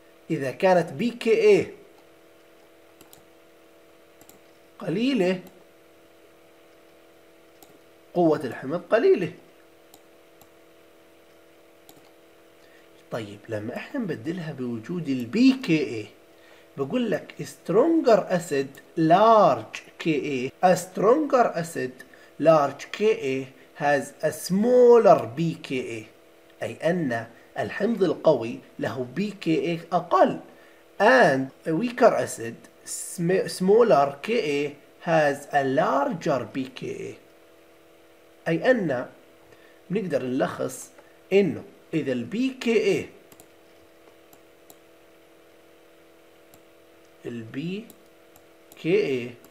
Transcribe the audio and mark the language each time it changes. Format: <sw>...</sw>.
<ar>إذا كانت بي كي اي قليلة قوة الحمض قليلة. طيب لما احنا نبدلها بوجود البي كي اي بقول لك</ar> <en>stronger acid large Ka. A stronger acid large Ka has a smaller pKa.</en> <ar>أي أن الحمض القوي له pKa أقل.</ar> <en>And a weaker acid smaller Ka has a larger pKa.</en> <ar>أي أن بنقدر نلخص إنه إذا ال pKa البي كي اي</ar>